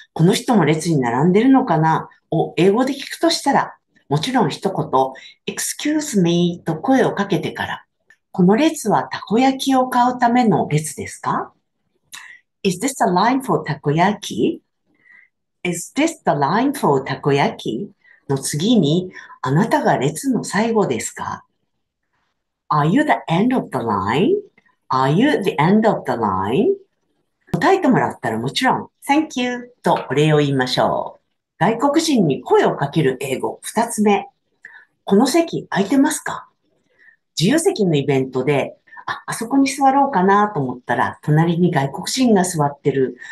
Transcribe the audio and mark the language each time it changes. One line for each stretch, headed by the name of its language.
Japanese: この人も列に並んでいるのかな？を英語で聞くとしたら、もちろん一言、
English: Excuse me
Japanese: と声をかけてから、この列はたこ焼きを買うための列ですか？
English: Is this the line for takoyaki? Is this the line for takoyaki?
Japanese: の次に、あなたが列の最後ですか？
English: Are you the end of the line? Are you the end of the line?
Japanese: 答えてもらったらもちろん、
English: Thank you
Japanese: とお礼を言いましょう。外国人に声をかける英語、二つ目。この席空いてますか？自由席のイベントで、あそこに座ろうかなと思ったら、隣に外国人が座ってる。